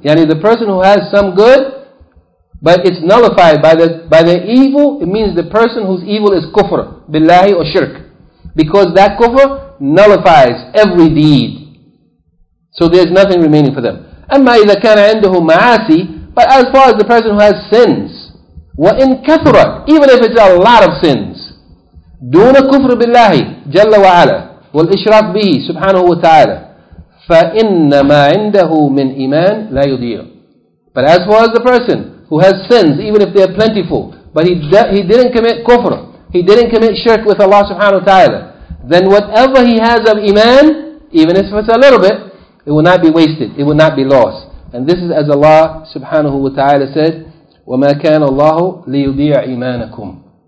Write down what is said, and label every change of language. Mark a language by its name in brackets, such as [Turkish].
[English] Yani the person who has some good, but it's nullified by the evil. It means the person whose evil is kufr, billahi or shirk. Because that kufr nullifies every deed. So there's nothing remaining for them. [Arabic] أَمَّا إِذَا كَانَ عِنْدُهُ مَعَاسِي. [English] But as far as the person who has sins, [Arabic] وَإِنْ كَثُرَتْ. [English] Even if it's a lot of sins, [Arabic] دُونَ كُفْر بِاللَّهِ جَلَّ وَعَلَى وَالْإِشْرَاكْ بِهِ سُبْحَانَهُ وَتَعَالَى فَإِنَّمَا عِنْدَهُ مِنْ إِيمَانٍ لَا يُضِيعُ. [English] But as far as the person who has sins, even if they are plentiful, but he didn't commit kufr, he didn't commit shirk with Allah subhanahu wa ta'ala, then whatever he has of iman, even if it's a little bit, it will not be wasted, it will not be lost. And this is as Allah subhanahu wa ta'ala said, [Arabic] وَمَا كَانَ اللَّهُ لِيُضِيعَ إِيمَانَكُمْ.